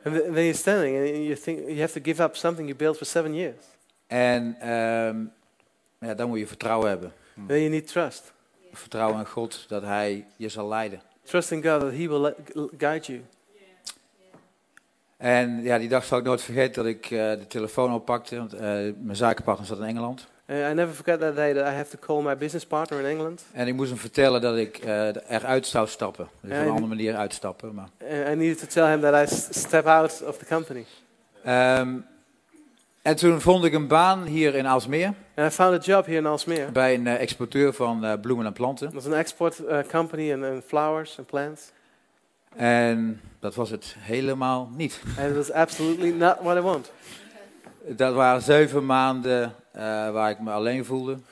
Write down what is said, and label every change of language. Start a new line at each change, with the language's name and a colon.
English: And then you're standing and you think you have to give up something you built for 7 years.
Dutch: En dan moet je vertrouwen hebben.
English: Then you need trust.
Dutch: Vertrouwen in God dat Hij je zal leiden.
English: Trust in God that He will guide you.
Dutch: En die dag zal ik nooit vergeten dat ik de telefoon oppakte, want mijn zakenpartner zat in Engeland.
English: I never forget that day that I have to call my business partner in England.
Dutch: En ik moest hem vertellen dat ik eruit zou stappen, dus op een andere manier uitstappen. Maar.
English: I needed to tell him that I step out of the company.
Dutch: En toen vond ik een baan hier in Alsmeer.
English: And I found a job here in Alsmeer.
Dutch: Bij een exporteur van bloemen en planten.
English: It was an export company and flowers and plants.
Dutch: En dat was het helemaal niet.
English: And it was absolutely not what I want.
Dutch: Dat waren 7 maanden waar ik me alleen voelde.